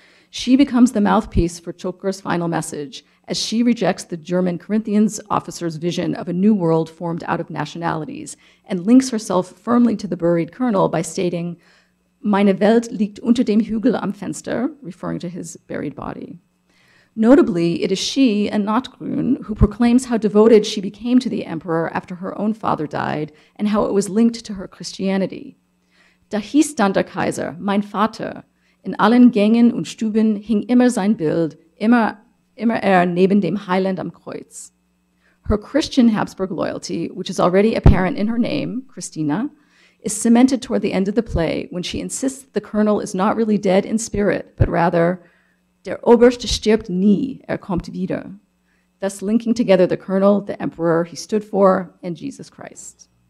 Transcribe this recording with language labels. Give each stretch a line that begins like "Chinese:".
English: She becomes the mouthpiece for Choker's final message as she rejects the German Corinthians officer's vision of a new world formed out of nationalities and links herself firmly to the buried colonel by stating,
German: Meine Welt liegt unter dem Hügel am Fenster,
English: referring to his buried body. Notably, it is she, and not Grün, who proclaims how devoted she became to the emperor after her own father died, and how it was linked to her Christianity.
German: Da hieß dann der Kaiser, mein Vater, in allen Gängen und Stuben hing immer sein Bild, immer neben dem Heiland am Kreuz.
English: Her Christian Habsburg loyalty, which is already apparent in her name, Christina, is cemented toward the end of the play when she insists that the colonel is not really dead in spirit, but rather,
German: Der Oberst stirbt nie, kommt wieder.
English: Thus linking together the colonel, the emperor he stood for, and Jesus Christ.